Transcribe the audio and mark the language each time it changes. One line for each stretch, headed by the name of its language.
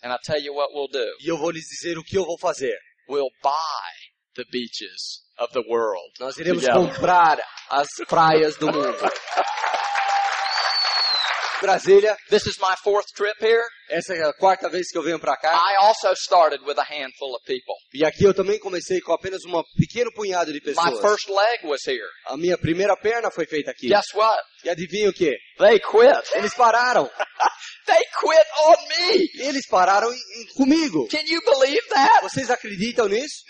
English: and I'll tell you what we'll do.
Portuguese: E eu vou lhes dizer o que eu vou fazer.
English: We'll buy the beaches of the world.
Portuguese: Nós iremos comprar as praias do mundo. Brasília.
English: This is my fourth trip here.
Portuguese: Essa é a quarta vez que eu venho para cá.
English: I also started with a handful of people.
Portuguese: E aqui eu também comecei com apenas um pequeno punhado de pessoas.
English: My first leg was here.
Portuguese: A minha primeira perna foi feita aqui.
English: Guess what?
Portuguese: E adivinha o quê?
English: They quit.
Portuguese: Eles pararam.
English: They quit on me.
Portuguese: Eles pararam comigo.
English: Can you believe that?
Portuguese: Vocês acreditam nisso?